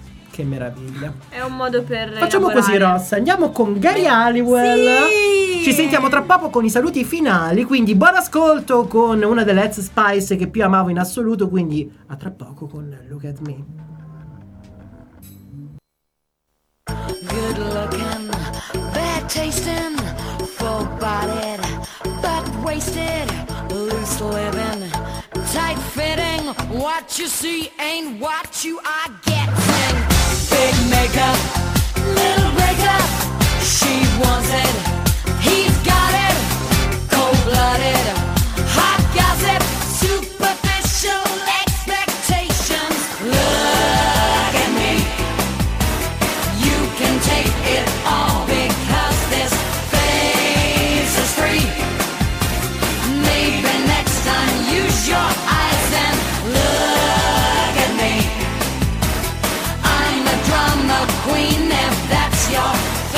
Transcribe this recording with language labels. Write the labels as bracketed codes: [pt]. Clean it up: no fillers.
[it] Che meraviglia. È un modo per facciamo elaborare. Così, Ross, andiamo con Gary Halliwell. Sì. Ci sentiamo tra poco con i saluti finali, quindi buon ascolto con una delle Ed Spice che più amavo in assoluto, quindi a tra poco con Look At Me. [en] Good looking, bad tasting, full bodied, butt wasted, loose living, tight fitting, what you see ain't what you are getting. Big makeup, little breakup, she wants it, he's got it, cold blooded, hot gossip, superficial expectations. Look at me, you can take it all because this face is free. Maybe next time use your eyes and look at me. I'm a drama queen if that's your